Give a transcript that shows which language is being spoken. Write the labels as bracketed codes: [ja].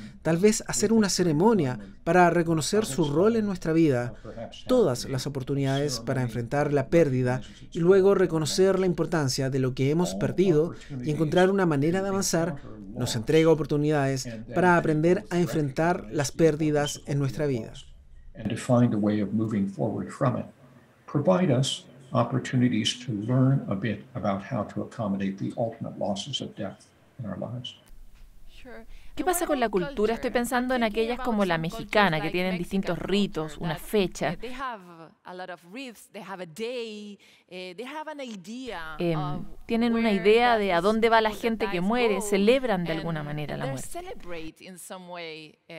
[es] Tal vez hacer una ceremonia para reconocer su rol en nuestra vida, todas las oportunidades para enfrentar la pérdida y luego reconocer la importancia de lo que hemos perdido y encontrar una manera de avanzar, nos entrega oportunidades para aprender a enfrentar las pérdidas en nuestra vida. [en] Opportunities to learn a bit about how to accommodate the ultimate losses of death in our lives. Sure. [es] ¿Qué pasa con la cultura? Estoy pensando en aquellas como la mexicana, que tienen distintos ritos, una fecha. Tienen una idea de a dónde va la gente que muere, celebran de alguna manera la muerte.